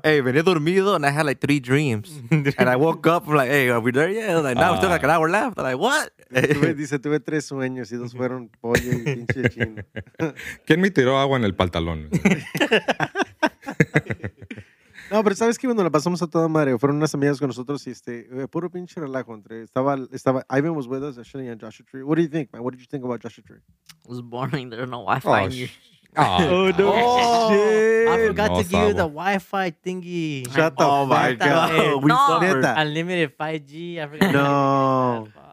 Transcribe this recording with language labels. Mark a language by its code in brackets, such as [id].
[en] Hey, [es] venía dormido [en] and I had like 3 dreams. And I woke up like, hey, are we there yet? Like, no, we're still like an hour left. I'm like, what? [es] Tuve 3 sueños y 2 fueron pollo y pinche chino. ¿Quién me tiró agua en el pantalón? No, pero ¿sabes qué? Bueno, la pasamos a toda madre. Fueron unas amigas con nosotros y puro pinche relajo. Estaba [en] Ivan was with us, actually, and Joshua Tree. What do you think, man? What did you think about Joshua Tree? It was boring. There's no Wi-Fi in here. Oh, no, shit. I forgot to give you the Wi-Fi thingy. Shut up. Oh, my God. We suffered. Unlimited 5G. I forgot. No.